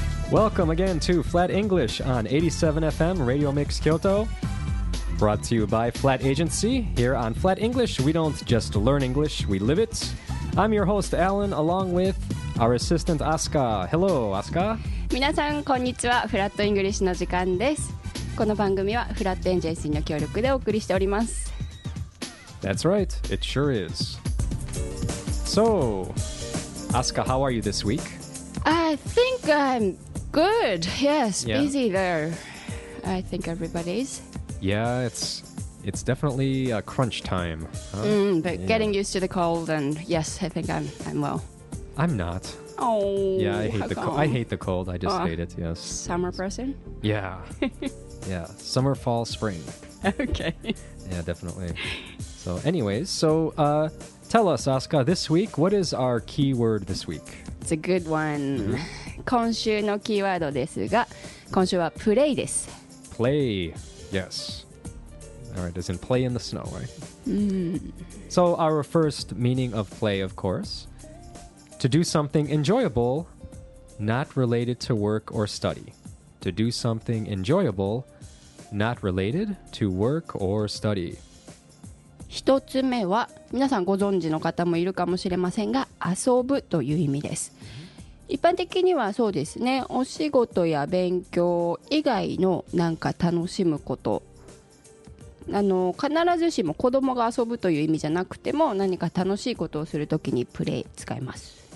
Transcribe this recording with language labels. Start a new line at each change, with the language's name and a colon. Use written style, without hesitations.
English: Welcome again to Flat English on 87 FM Radio Mix Kyoto, brought to you by Flat Agency. Here on Flat English, we don't just learn English, we live it. I'm your host, Alan, along with our assistant, Asuka. Hello, Asuka.
Japanese: 皆さん、こんにちは。フラットイングリッシュの時間です。この番組はフラットエージェンシーの協力でお送りしております。
English: That's right. It sure is. So, Asuka, how are you this week? I think I'm good. Yes, yeah. Busy there. I think everybody's. Yeah, it's definitely a crunch time. Huh? But yeah. Getting used to the cold, and yes, I think I'm well. I'm not. Oh, yeah, I hate the cold. I just hate it, yes. Summer person? Yeah. Yeah, summer, fall, spring. Okay. Yeah, definitely. So anyways, tell us, Asuka, this week, what is our keyword this week? It's a good one. Mm-hmm.
Japanese: 今週のキーワードですが、今週はプレイです。
English: Play, yes. All right, as in play in the snow, right? Mm. So our first meaning of play, of course, to do something enjoyable, not related to work or study. To do something enjoyable, not related to work or study.
Japanese: 一つ目は、皆さんご存知の方もいるかもしれませんが、遊ぶという意味です。一般的にはそうですね、お仕事や勉強以外のなんか楽しむこと、必ずしも子供が遊ぶという意味じゃなくても、何か楽しいことをするときにプレイ使います。